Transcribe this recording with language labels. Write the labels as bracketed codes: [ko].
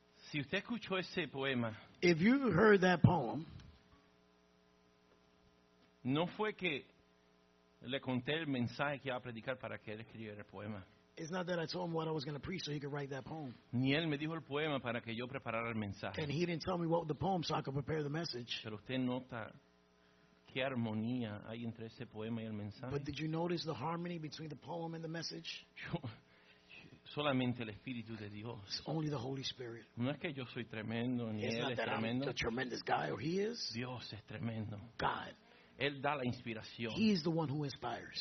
[es] Si usted escuchó ese poema, [en] if you heard that poem, [es] no fue que le conté el mensaje que iba a predicar para que él escribiera el poema. [en] It's not that I told him what I was going to preach so he could write that poem. [es] Ni él me dijo el poema para que yo preparara el mensaje. [en] And he didn't tell me what the poem so I could prepare the message. [es] Pero usted nota qué armonía hay entre ese poema y el mensaje. [en] But did you notice the harmony between the poem and the message? [es] Solamente el Espíritu de Dios. [en] It's only the Holy Spirit. [es] No es que yo soy tremendo ni [en] it's [es] él es tremendo. [en] I'm a tremendous guy or he is. [es] Dios es tremendo. [en] God. [es] Él da la inspiración. [en] He is the one who inspires.